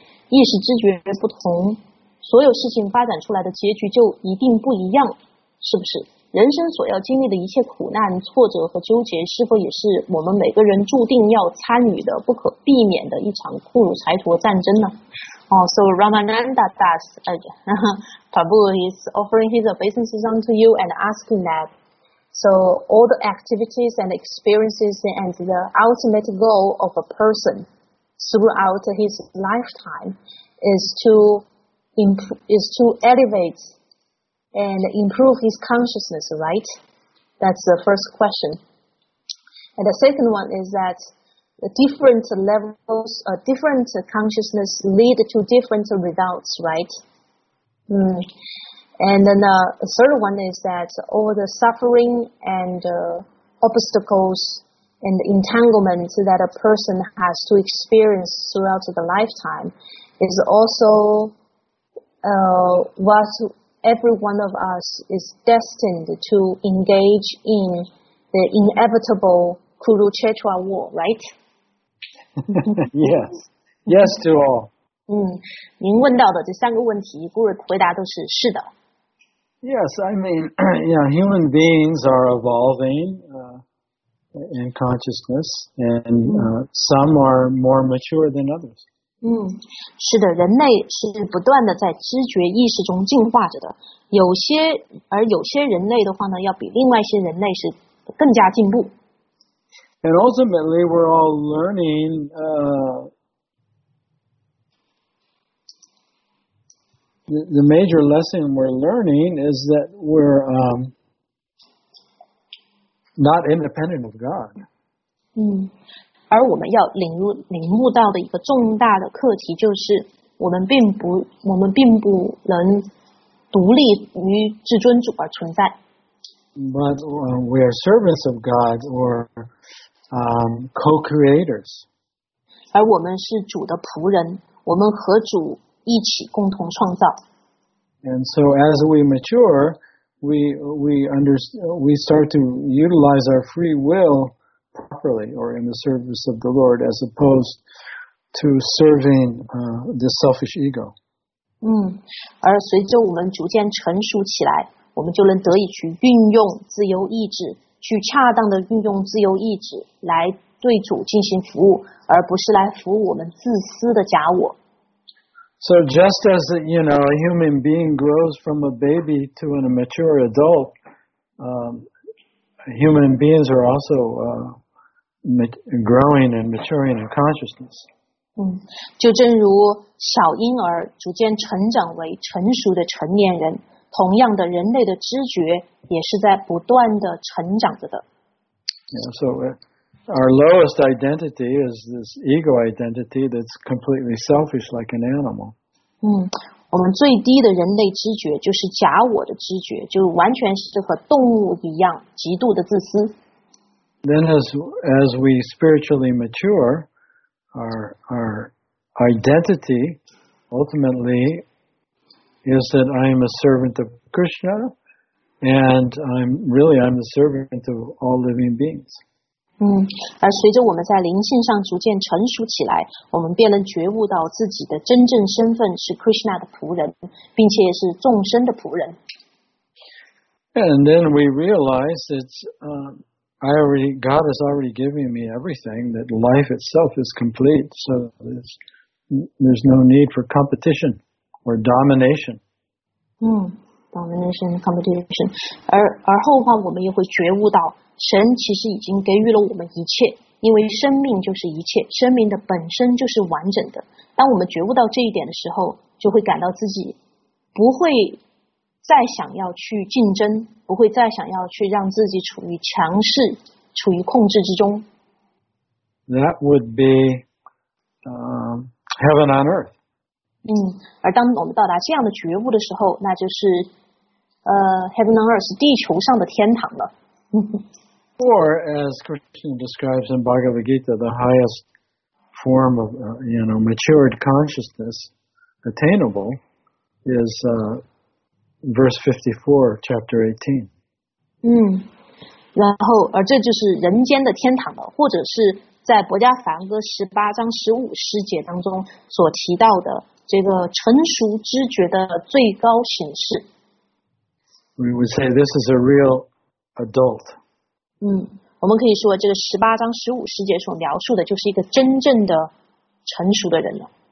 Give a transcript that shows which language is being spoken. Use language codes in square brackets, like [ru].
[zh] 意识知觉不同，所有事情发展出来的结局就一定不一样，是不是？人生所要经历的一切苦难、挫折和纠结，是否也是我们每个人注定要参与的、不可避免的一场库鲁柴陀战争呢？ [en] 哦、oh, ，So Ramananda Das, Prabhu is offering his obeisances onto you and asking that. So all the activities and experiences and the ultimate goal of a person throughout his lifetime is to elevate and improve his consciousness, right? That's the first question. And the second one is that different levels, different consciousness lead to different results, right? And then the third one is that all the suffering and obstacles and entanglements that a person has to experience throughout the lifetime is also what every one of us is destined to engage in the inevitable Kurukshetra war, right? Yes. Yes to all. [zh] 您问到的这三个问题，顾瑞回答都是是的。 [en] Yes, I mean, yeah, human beings are evolving in consciousness, and some are more mature than others. [zh] 是的，人类是不断的在知觉意识中进化着的。有些人类的话呢，要比另外一些人类是更加进步。 [en] And ultimately, we're all learning. The major lesson we're learning is that we're not independent of God. [zh] 嗯，而我们要领悟到的一个重大的课题就是，我们并不能独立于至尊主而存在。 [en] But we are servants of God or co-creators. [zh] 而我们是主的仆人，我们和主一起共同创造。 [en] And so as we mature, we start to utilize our free will properly or in the service of the Lord as opposed to serving the selfish ego. [zh] 嗯，而随着我们逐渐成熟起来，我们就能得以去运用自由意志，去恰当的运用自由意志来对主进行服务，而不是来服务我们自私的假我。 [en] So just as you know, a human being grows from a baby to a mature adult, human beings are also growing and maturing in consciousness. [zh] 就正如小婴儿逐渐成长为成熟的成年人，同样的，人类的知觉也是在不断的成长着的。 [en] Yeah, so our lowest identity is this ego identity that's completely selfish, like an animal. [zh] 我们最低的人类知觉就是假我的知觉，就完全是和动物一样，极度的自私。 [en] Then as we spiritually mature, our identity ultimately is that I am a servant of Krishna, and I'm the servant of all living beings. [zh] 而随着我们在灵性上逐渐成熟起来，我们便能觉悟到自己的真正身份是 Krishna 的仆人，并且也是众生的仆人。 [en] And then we realize that God has already given me everything, that life itself is complete, so there's no need for competition. Or domination. Domination, competition. [zh] 而后话我们也会觉悟到，神其实已经给予了我们一切，因为生命就是一切，生命的本身就是完整的。当我们觉悟到这一点的时候，就会感到自己不会再想要去竞争，不会再想要去让自己处于强势，处于控制之中。 [en] That would be heaven on earth. [zh] 而当我们到达这样的觉悟的时候，那就是 [en] heaven on earth, [zh] 地球上的天堂了。 [en] Or as Krishna describes in Bhagavad Gita, the highest form of matured consciousness attainable is verse 54, chapter 18. [zh] 然后而这就是人间的天堂了，或者是在《博迦梵歌》18章15诗节当中所提到的。这个成熟知觉的最高形式。 [en] We would say this is a real adult. [zh] 我们可以说这个18章15诗节所描述的就是一个真正的成熟的人了。